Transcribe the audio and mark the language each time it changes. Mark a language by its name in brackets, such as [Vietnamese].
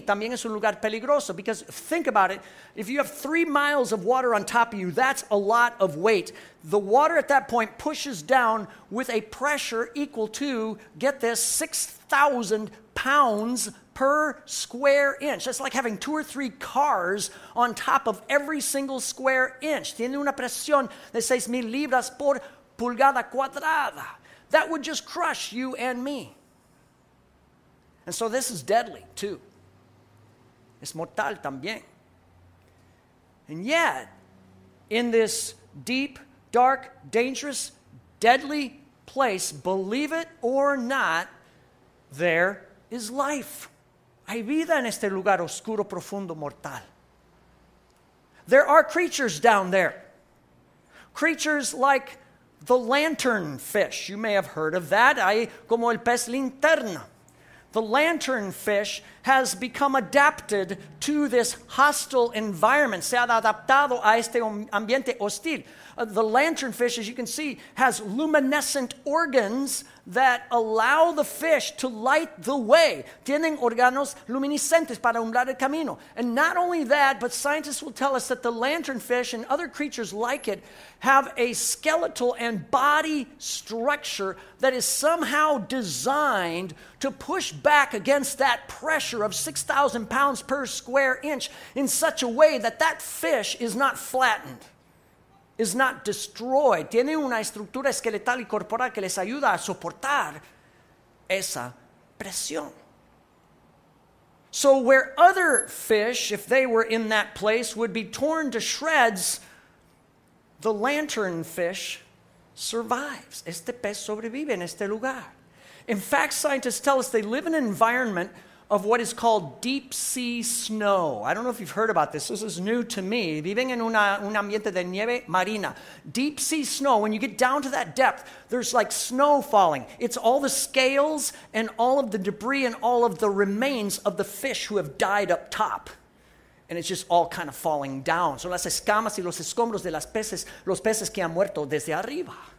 [Spanish] También es un lugar peligroso. [English] Because think about it, if you have 3 miles of water on top of you, that's a lot of weight. The water at that point pushes down with a pressure equal to, get this, 6,000 pounds per square inch. That's like having 2 or 3 cars on top of every single square inch. [Spanish] Tiene una presión de 6,000 libras por pulgada cuadrada. [English] That would just crush you and me. And so this is deadly too. [Spanish] Es mortal también. [English] And yet, in this deep, dark, dangerous, deadly place, believe it or not, there is life. [Spanish] Hay vida en este lugar oscuro, profundo, mortal. [English] There are creatures down there. Creatures like the lantern fish. You may have heard of that. [Spanish] Hay como el pez linterna. [English] The lantern fish has become adapted to this hostile environment. [Spanish] Se ha adaptado a este ambiente hostil. [English] The lantern fish, as you can see, has luminescent organs that allow the fish to light the way. [Spanish] Tienen órganos luminiscentes para alumbrar el camino. [English] And not only that, but scientists will tell us that the lantern fish and other creatures like it have a skeletal and body structure that is somehow designed to push back against that pressure of 6,000 pounds per square inch in such a way that that fish is not flattened. is not destroyed. [Spanish] Tiene una estructura esqueletal y corporal que les ayuda a soportar esa presión. [English] So where other fish, if they were in that place, would be torn to shreds, the lantern fish survives. [Spanish] Este pez sobrevive en este lugar. [English] In fact, scientists tell us they live in an environment of what is called deep sea snow. I don't know if you've heard about this. This is new to me. [Spanish] Viven en un ambiente de nieve marina. [English] Deep sea snow. When you get down to that depth, there's like snow falling. It's all the scales and all of the debris and all of the remains of the fish who have died up top. And it's just all kind of falling down. [Spanish] Son las escamas y los escombros de los peces que han muerto desde arriba.